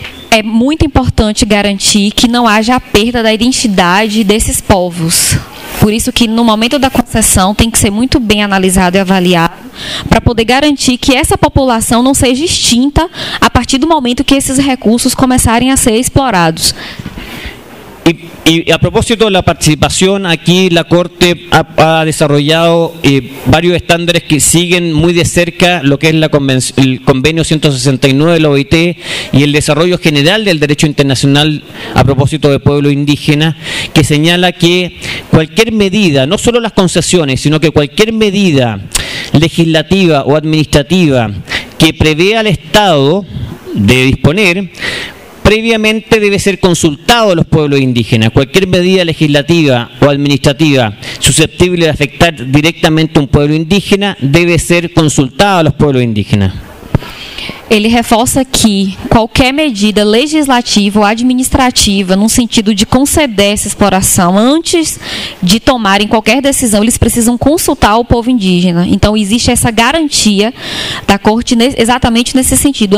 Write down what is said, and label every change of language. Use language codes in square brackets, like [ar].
[pt] É muito importante garantir que não haja a perda da identidade desses povos. Por isso que no momento da concessão tem que ser muito bem analisado e avaliado para poder garantir que essa população não seja extinta a partir do momento que esses recursos começarem a ser explorados. [es] Y a propósito de la participación, aquí la Corte ha desarrollado varios estándares que siguen muy de cerca lo que es el convenio 169 de la OIT y el desarrollo general del derecho internacional a propósito de pueblo indígena, que señala que cualquier medida, no solo las concesiones, sino que cualquier medida legislativa o administrativa que prevea al Estado de disponer, previamente debe ser consultado a los pueblos indígenas. Cualquier medida legislativa o administrativa susceptible de afectar directamente a un pueblo indígena debe ser consultado a los pueblos indígenas. [pt] Ele reforça que qualquer medida legislativa ou administrativa no sentido de conceder essa exploração, antes de tomarem qualquer decisão, eles precisam consultar o povo indígena. Então, existe essa garantia da Corte exatamente nesse sentido.